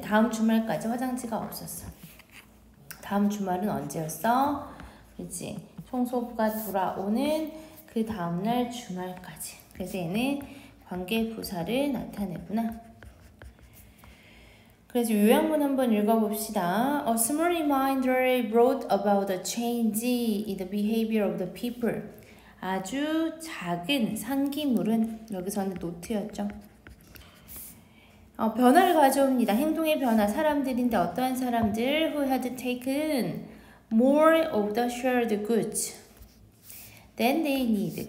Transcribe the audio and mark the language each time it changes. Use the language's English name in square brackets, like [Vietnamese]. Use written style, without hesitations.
[Korean] 다음 주말까지 화장지가 없었어. 다음 주말은 언제였어? 그치? 청소부가 돌아오는 그 다음날 주말까지. 그래서 얘는 관계부사를 나타내구나. 그래서 요약문 한번 읽어봅시다. [English] A small reminder brought about the change in the behavior of the people. [Korean] 아주 작은 상기물은 여기서는 노트였죠. 변화를 가져옵니다. 행동의 변화, 사람들인데 어떠한 사람들 [English] who had taken more of the shared goods than they need.